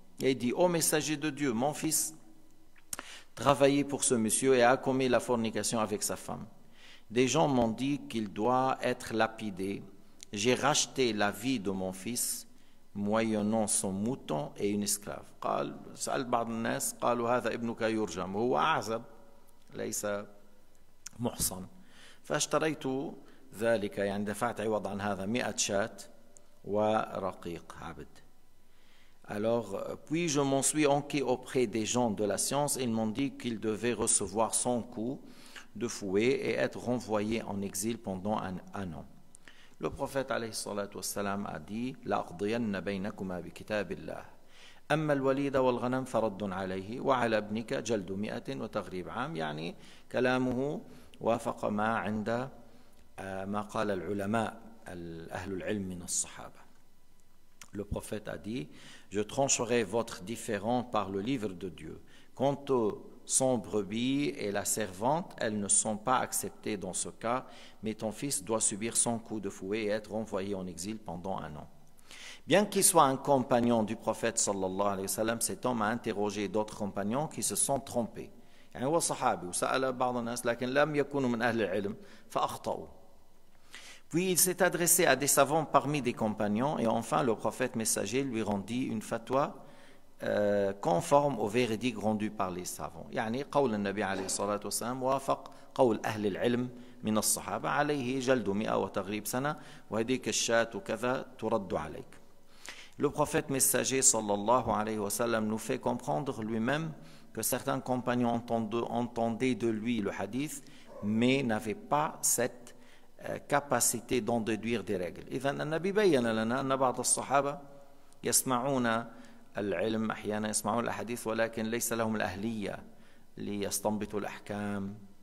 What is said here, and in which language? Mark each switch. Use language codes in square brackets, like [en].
[fr] Et il dit, ô messager de Dieu, mon fils travaillait pour ce monsieur et a commis la fornication avec sa femme. Des gens m'ont dit qu'il doit être lapidé. J'ai racheté la vie de mon fils, moyennant son mouton et une esclave. [ar] قال سأل بعض الناس قالوا هذا ابنك يرجم هو أعزب ليس محصن فاشتريت ذلك يعني دفعت عوض عن هذا 100 شات ورقيق عبد. [fr] Alors puis je m'en suis enquis auprès des gens de la science. Ils m'ont dit qu'il devait recevoir 100 coups de fouet et être renvoyé en exil pendant un an. Le prophète [ar] عليه الصلاة والسلام [fr] a dit [ar] لأقضين بينكما بكتاب الله أما الوليد والغنم فرد عليه وعلى ابنك جلد مئة وتغريب عام. يعني كلامه وافق ما عند ما قال العلماء أهل العلم من الصحابة. [fr] Le prophète a dit je trancherai votre différend par le livre de Dieu. Quant aux 100 brebis et la servante, elles ne sont pas acceptées dans ce cas, mais ton fils doit subir 100 coups de fouet et être renvoyé en exil pendant un an. Bien qu'il soit un compagnon du prophète sallallahu alayhi wa sallam, cet homme a interrogé d'autres compagnons qui se sont trompés. Il est un sahabi, il a demandé à certains gens, mais ils n'ont pas été de l'ahle al-ilm, donc ils ont. Puis il s'est adressé à des savants parmi des compagnons, et enfin le prophète messager lui rendit une fatwa conforme au véridique rendu par les savants. [ar] يعني قول النبي عليه الصلاة والسلام موافق قول أهل العلم من الصحابة عليه جلد مئة وتغريب سنة وهديك الشات وكذا ترد عليك. [fr] Le prophète messager sallallahu alayhi wa sallam nous fait comprendre lui-même que certains compagnons entendaient de lui le hadith mais n'avaient pas cette capacité d'en déduire des règles. [ar] إذن النبي بيّن لنا أن بعض الصحابة يسمعون العلم أحيانا يسمعون الأحاديث ولكن ليس لهم الأهلية ليستنبطوا الأحكام.